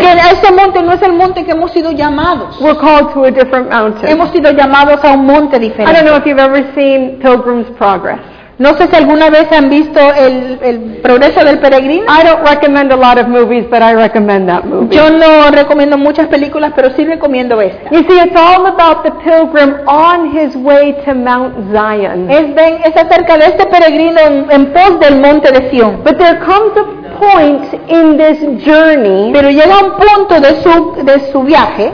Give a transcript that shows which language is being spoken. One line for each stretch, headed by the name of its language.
Spanish: Porque ese monte no es el monte que hemos sido llamados.
English: We're called to a different mountain.
Spanish: Hemos sido llamados a un monte diferente.
English: I don't know if you've ever seen Pilgrim's Progress.
Spanish: No sé si alguna vez han visto el progreso del peregrino.
English: I don't recommend a lot of movies, but I recommend that movie.
Spanish: Yo no recomiendo muchas películas, pero sí recomiendo esta.
English: You see, it's all about the pilgrim on his way to Mount Zion.
Spanish: Es acerca de este peregrino en pos del monte de Sion.
English: But there comes a point in this journey.
Spanish: Pero llega un punto de su viaje.